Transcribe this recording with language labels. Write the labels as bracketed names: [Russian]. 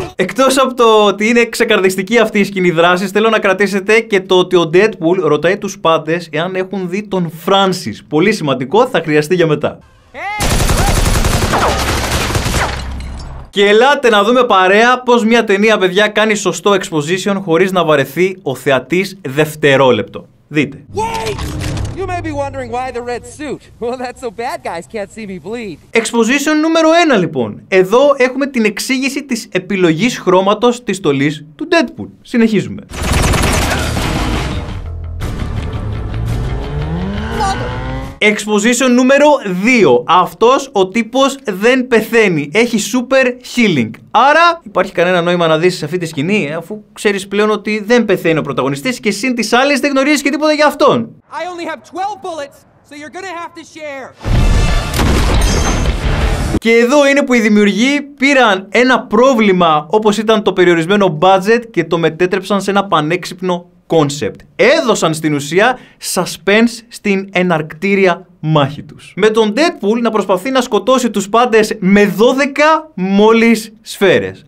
[Greek] Εκτός από το ότι είναι ξεκαρδιστική αυτή η σκηνή δράσης, θέλω να κρατήσετε και το ότι ο Deadpool ρωτάει τους πάντες εάν έχουν δει τον Francis. Πολύ σημαντικό, θα χρειαστεί για μετά. Και ελάτε να δούμε παρέα πως μια ταινία, παιδιά, κάνει σωστό exposition χωρίς να βαρεθεί ο θεατής δευτερόλεπτο. Δείτε. [English] Wait! You may be wondering why the red suit. Well, that's so bad guys can't see me bleed. [Greek] Exposition νούμερο 1, λοιπόν. Εδώ έχουμε την εξήγηση της επιλογής χρώματος της στολής του Deadpool. Συνεχίζουμε. Exposition νούμερο 2. Αυτός ο τύπος δεν πεθαίνει. Έχει super healing. Άρα υπάρχει κανένα νόημα να δεις σε αυτή τη σκηνή, αφού ξέρεις πλέον ότι δεν πεθαίνει ο πρωταγωνιστής και σύν τις άλλες δεν γνωρίζεις και τίποτα για αυτόν. [English] I only have 12 bullets, so you're gonna have to share. [Greek] Και εδώ είναι που οι δημιουργοί πήραν ένα πρόβλημα όπως ήταν το περιορισμένο budget και το μετέτρεψαν σε ένα πανέξυπνο concept. Έδωσαν στην ουσία suspense στην εναρκτήρια μάχη τους. Με τον Deadpool να προσπαθεί να σκοτώσει τους πάντες με 12 μόλις σφαίρες.